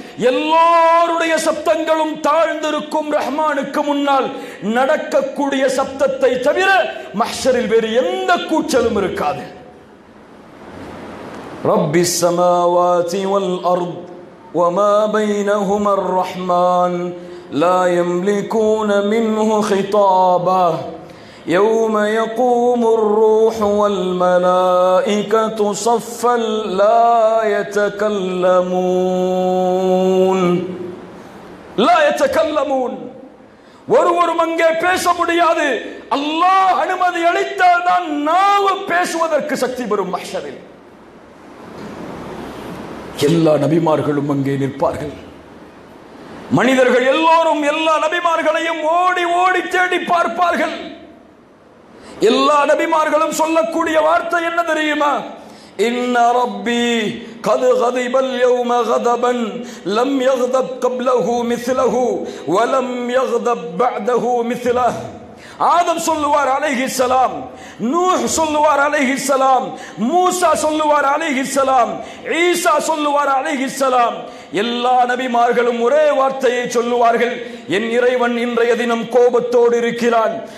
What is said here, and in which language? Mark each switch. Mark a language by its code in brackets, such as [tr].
[ta] எல்லோருடைய சப்தங்களும் தாழ்ந்திருக்கும் ரஹ்மானுக்கு முன்னால் நடக்கக்கூடிய சப்தத்தை தவிர மஹ்ஷரில் வேறு எந்த கூச்சலும் இருக்காது. [ar] ரப்பி ஸமாவாதி வல் அர்த் வமா பைனஹுமர் ரஹ்மான் லா யம்லிகூன மின்ஹு கிதாபா. يوم يقوم الروح والملائكة صفا لا يتكلمون لا يتكلمون [ta] ஒருவரும் அங்கே பேச முடியாது. அல்லாஹ் அனுமதி அளித்தால் தான் நாம் பேசுவதற்கு சக்தி பெறும் மஹ்ஷரில். எல்லா நபிமார்களும் அங்கே நிற்பார்கள். மனிதர்கள் எல்லோரும் எல்லா நபிமார்களையும் ஓடி ஓடி தேடி பார்ப்பார்கள். எல்லா நபிமார்களும் சொல்லக்கூடிய வார்த்தை என்ன தெரியுமா? [ar] இன்ன ரப்பி قد غضب اليوم غضبا لم يغضب قبله مثله ولم يغضب بعده مثله. [ta] ஆதம் சொல்லுவார் அலைஹிஸ்ஸலாம், நூஹ் சொல்லுவார் அலைஹிஸ்ஸலாம், மூசா சொல்லுவார் அலைஹிஸ்ஸலாம், ஈசா சொல்லுவார் அலைஹிஸ்ஸலாம், எல்லா நபிமார்களும் ஒரே வார்த்தையை சொல்லுவார்கள், என் இறைவன் இன்றைய தினம் கோபத்தோடு இருக்கிறான்.